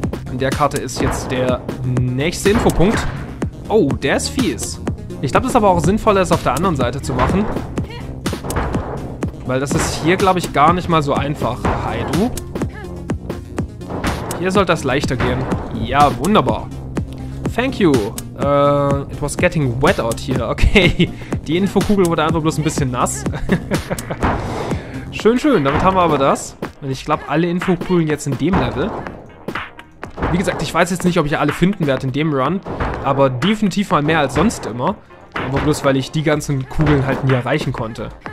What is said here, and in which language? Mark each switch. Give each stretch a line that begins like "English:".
German: In der Karte ist jetzt der nächste Infopunkt. Oh, der ist fies. Ich glaube, das ist aber auch sinnvoller, es auf der anderen Seite zu machen. Weil das ist hier, glaube ich, gar nicht mal so einfach. Hi, du. Hier sollte das leichter gehen. Ja, wunderbar.
English: Thank you. It was getting wet out here.
German: Okay, die Infokugel wurde einfach bloß ein bisschen nass. Schön, schön. Damit haben wir aber das. Und ich glaube, alle Infokugeln jetzt in dem Level... Wie gesagt, ich weiß jetzt nicht, ob ich alle finden werde in dem Run, aber definitiv mal mehr als sonst immer. Aber bloß, weil ich die ganzen Kugeln halt nie erreichen konnte.